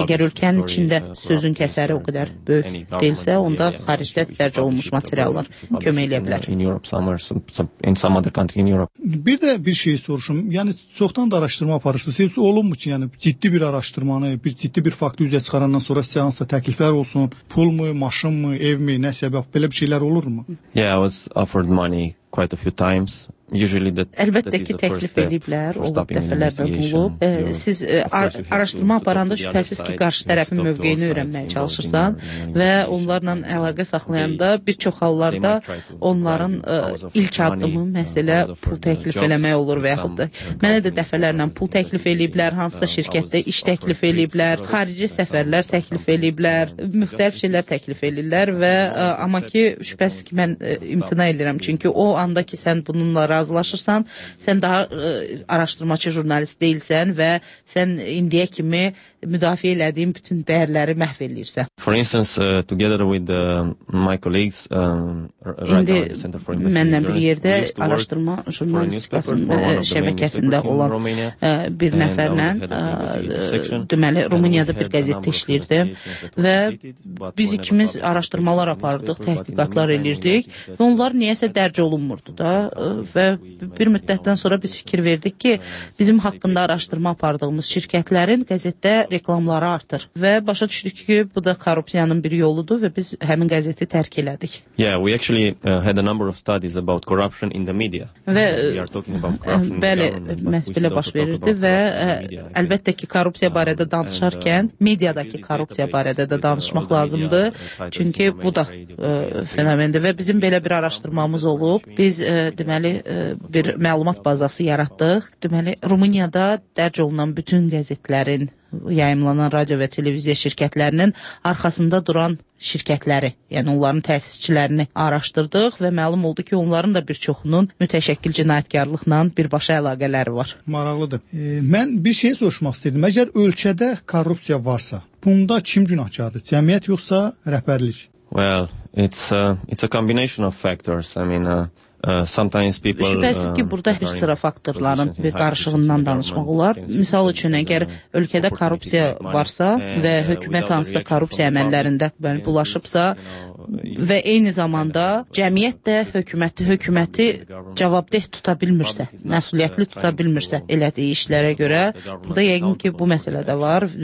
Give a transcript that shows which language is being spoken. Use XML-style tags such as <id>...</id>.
<az>Əgər ölkənin içində sözün kəsəri o qədər böyük deyilsə, onda xaricdə dərc olunmuş materiallar kömək edə bilər. Bir də bir şey soruşum. Yəni, çoxdan da araşdırma aparırsınız. Siz olunmu ki, yəni, ciddi bir araşdırmanı, bir ciddi bir faktı üzə çıxarandan sonra seansda təkliflər olsun, pul mu, maşın mu, ev mi, nə səbəb, belə bir şeylər olur mu?</az> <en>Yeah, I was offered money quite a few times.</en> <az>Əlbəttə ki, təklif ediblər, o dəfələrdə olub. Siz araşdırma aparanda şübhəsiz ki, qarşı tərəfin mövqeyini öyrənməyə çalışırsan və onlarla əlaqə saxlayanda bir çox hallarda onların ilk addımı məsələ pul təklif eləmək olur və yaxud da mənə də dəfələrlə pul təklif ediblər, hansısa şirkətdə iş təklif ediblər, xarici səfərlər təklif ediblər, müxtəlif şeylər təklif edirlər və amma ki, şübhəsiz ki, mən imtina edirəm, çünki o anda ki, sən bununla razılaşırsan, sən daha araşdırmaçı jurnalist deyilsən və sən indiyə kimi müdafiə elədiyin bütün dəyərləri məhv eləyirsən.</az> <en>For instance, together with my colleagues</en> <az>indi mənlə bir yerdə araşdırma jurnalistikasının şəbəkəsində olan bir nəfərlə deməli, Rumıniyada bir qəzetdə işləyirdim və biz ikimiz araşdırmalar apardıq, təhqiqatlar eləyirdik və onlar niyəsə dərc olunmurdu da və bir müddətdən sonra biz fikir verdik ki, bizim haqqında araşdırma apardığımız şirkətlərin qəzetdə reklamları artır. Və başa düşdük ki, bu da korrupsiyanın bir yoludur və biz həmin qəzeti tərk elədik.</az> <en>Yeah, we actually had a number of studies about corruption in the media.</en> <az>Və bəli, məhz belə baş verirdi və əlbəttə ki, korrupsiya barədə danışarkən mediadakı korrupsiya barədə də danışmaq lazımdır. Çünki bu da fenomendir və bizim belə bir araşdırmamız olub. Biz deməli bir məlumat bazası yaratdıq. Deməli, Rumıniyada dərc olunan bütün qəzetlərin yayımlanan radio və televiziya şirkətlərinin arxasında duran şirkətləri, yəni onların təsisçilərini araşdırdıq və məlum oldu ki, onların da bir çoxunun mütəşəkkil cinayətkarlıqla birbaşa əlaqələri var. Maraqlıdır. Mən bir şey soruşmaq istəyirdim. Əgər ölkədə korrupsiya varsa, bunda kim günahkardır? Cəmiyyət yoxsa rəhbərlik?</az> <en>Well, it's a combination of factors. I mean, sometimes people</en> <az>şübhəsiz ki, burada bir sıra faktorların bir qarışığından danışmaq olar. Misal üçün, əgər ölkədə korrupsiya varsa və hökumət hansısa korrupsiya əməllərində bulaşıbsa və eyni zamanda cəmiyyət də hökuməti cavabdeh tuta bilmirsə, məsuliyyətli tuta bilmirsə elədiyi işlərə görə, burada yəqin ki, bu məsələ də var.</az>